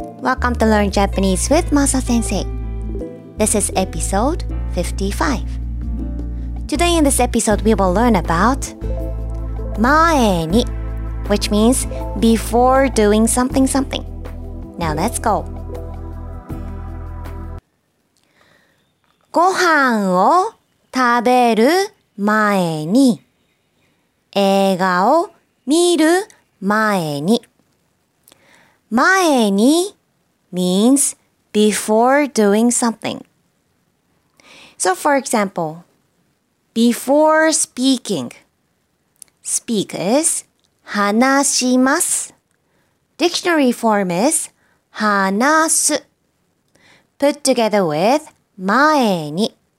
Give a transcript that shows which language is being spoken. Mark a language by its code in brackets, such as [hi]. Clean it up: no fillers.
[en] Welcome to Learn Japanese with Masa Sensei. This is episode 55. Today in this episode, we will learn about 前に, which means before doing something something. Now let's go. [ja] ご飯を食べる前に、映画を見る前に。 [en] 前に means before doing something. So for example, before speaking, speak is 話します。 Dictionary form is 話す。 Put together with 前に。